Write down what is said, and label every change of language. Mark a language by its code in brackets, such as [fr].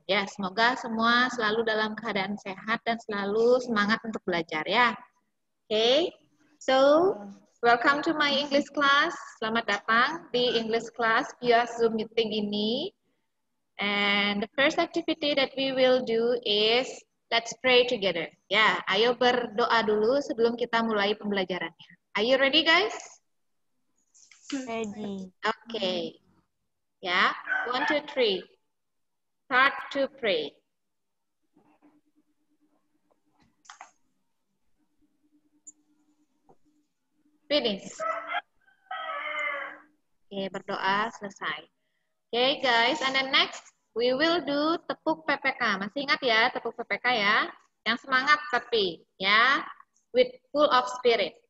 [id] Ya, yeah, semoga semua selalu dalam keadaan sehat dan selalu semangat untuk belajar ya. Oke. Okay. [en] So, welcome to my English class. [id] Selamat datang di English class via Zoom meeting ini. [en] And the first activity that we will do is let's pray together. [id] Ya, yeah, ayo berdoa dulu sebelum kita mulai pembelajarannya. [en] Are you ready, guys? Ready. Oke. Okay. Yeah, 1, 2, 3. Start to pray. Finish. Okay, [id] berdoa selesai. [en] Okay, guys, and then next we will do tepuk PPK. [id] Masih ingat ya, tepuk PPK ya. Yang semangat tapi, ya, yeah, [en] with full of spirit.